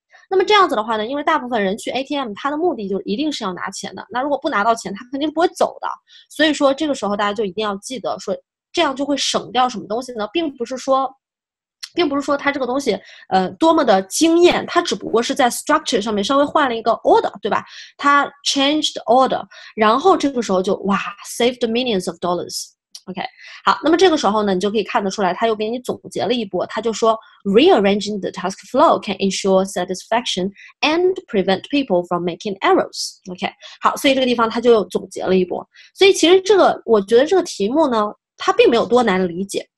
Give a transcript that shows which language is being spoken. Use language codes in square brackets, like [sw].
[zh] 那么这样子的话呢，因为大部分人去 ATM， 他的目的就一定是要拿钱的。那如果不拿到钱，他肯定是不会走的。所以说这个时候大家就一定要记得说，这样就会省掉什么东西呢？并不是说它这个东西多么的惊艳，它只不过是在 structure 上面稍微换了一个 order， 对吧？它 [en] changed order， [zh] 然后这个时候就哇 [en] saved millions of dollars。 [zh] OK， 好，那么这个时候呢，你就可以看得出来，他又给你总结了一波，他就说 [en] rearranging the task flow can ensure satisfaction and prevent people from making errors。 [zh] OK， 好，所以这个地方他就又总结了一波。所以其实这个我觉得这个题目呢，它并没有多难理解。